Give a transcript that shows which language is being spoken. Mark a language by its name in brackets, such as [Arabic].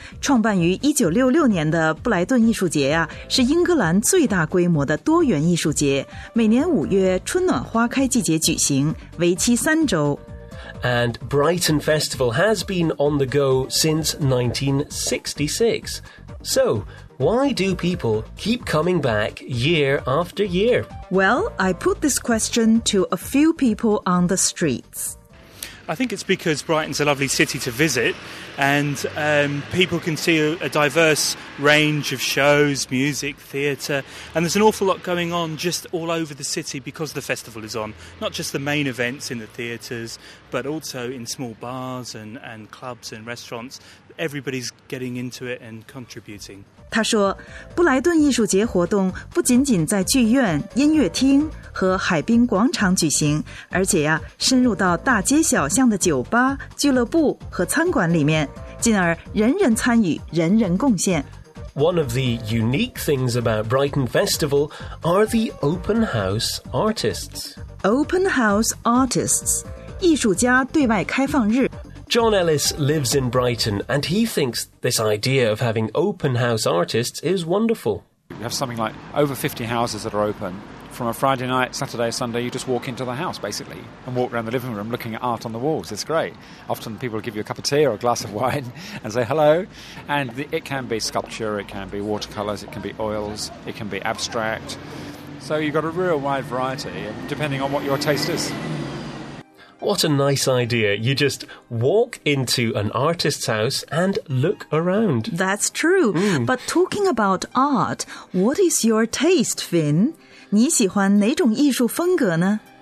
[Chinese] 创办于1966年的布莱顿艺术节啊，是英格兰最大规模的多元艺术节，每年五月春暖花开季节举行，为期三周。 [English] And Brighton Festival has been on the go since 1966. So, why do people keep coming back year after year? Well, I put this question to a few people on the streets. I think it's because Brighton's a lovely city to visit, and people can see a diverse range of shows, music, theatre, and there's an awful lot going on just all over the city because the festival is on. Not just the main events in the theatres, but also in small bars and clubs and restaurants. Everybody's getting into it and contributing. [Chinese] 他说，布莱顿艺术节活动不仅仅在剧院、音乐厅和海滨广场举行，而且呀，深入到大街小巷的酒吧、俱乐部和餐馆里面，进而人人参与，人人贡献。 [English] One of the unique things about Brighton Festival are the open house artists. Open house artists, [Chinese] 艺术家对外开放日。 [English] John Ellis lives in Brighton, and he thinks this idea of having open house artists is wonderful. We have something like over 50 houses that are open. From a Friday night, Saturday, Sunday, you just walk into the house, basically, and walk around the living room looking at art on the walls. It's great. Often people give you a cup of tea or a glass of wine and say hello. And it can be sculpture, it can be watercolours, it can be oils, it can be abstract. So you've got a real wide variety, depending on what your taste is. What a nice idea. You just walk into an artist's house and look around. That's true. Mm. But talking about art, what is your taste, Finn? [Chinese] 你喜欢哪种艺术风格呢?